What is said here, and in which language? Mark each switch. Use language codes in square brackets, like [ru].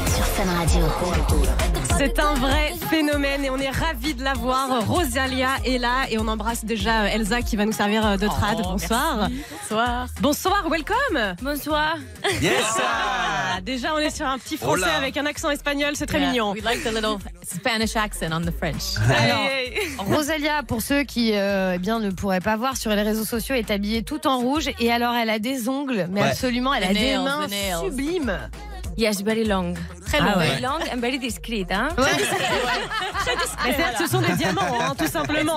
[fr] Sur Fun Radio. C'est un vrai phénomène et on est ravis de la voir. Rosalia est là et on embrasse déjà Elsa qui va nous servir de trad. Oh, bonsoir. Merci. Bonsoir. Bonsoir, [en] welcome. [fr] Bonsoir. [en] Yes. Ah, [fr] déjà, on est sur un petit français. [es] Hola. [fr] Avec un accent espagnol, c'est très mignon. [en] We like the little Spanish accent on the French. [fr] Alors, Rosalia, pour ceux qui bien, ne pourraient pas voir sur les réseaux sociaux, est habillée tout en rouge et alors elle a des ongles, mais absolument, elle a des mains sublimes. [en] Yes, very long. [fr] Très long. [en] Very long and very discreet. Hein? [fr] Ouais. Très discreet. Ce sont des diamants, hein, tout simplement.